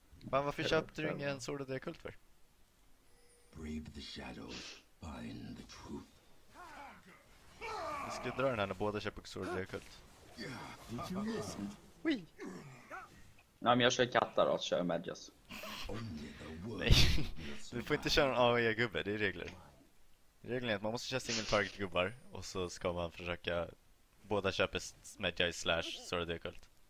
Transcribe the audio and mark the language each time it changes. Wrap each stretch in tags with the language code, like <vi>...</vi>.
<sv>Fan, varför köpte du ingen sword of the occult för?</sv> <en>Brave the shadows, find the truth.</en> <sv>Vi ska dra den här när båda köper sword of the occult.</sv> <en>Did you listen?</en> <fr>Oui.</fr> <sv>Nej, men jag kör kattar och kör medjas. Nej, du får inte köra en AOE-gubbe, det är regler. Regeln är att man måste köra single target-gubbar och så ska man försöka båda köpa medjas slash sword of the occult.</sv>